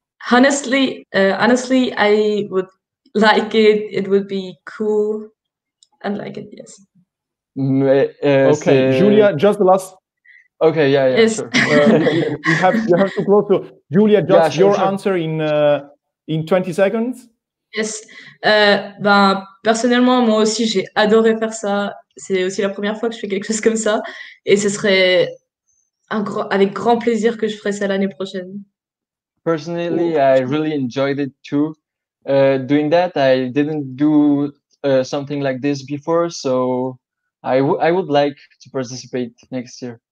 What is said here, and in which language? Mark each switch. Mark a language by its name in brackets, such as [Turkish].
[English] Honestly, I would like it. It would be cool. I'd like it. Yes. [French] Mais, [English] okay, Julia, just the last. Okay, yeah, yeah, yes. Sure. you have to close to Julia, just yeah, your sure. answer in 20 seconds. Yes. [French] Ben, personnellement, moi aussi, j'ai adoré faire ça. C'est aussi la première fois que je fais quelque chose comme ça. Et ce serait avec grand plaisir que je ferais ça l'année prochaine. [English] Personally, I really enjoyed it too. Doing that, I didn't do something like this before, so I would like to participate next year.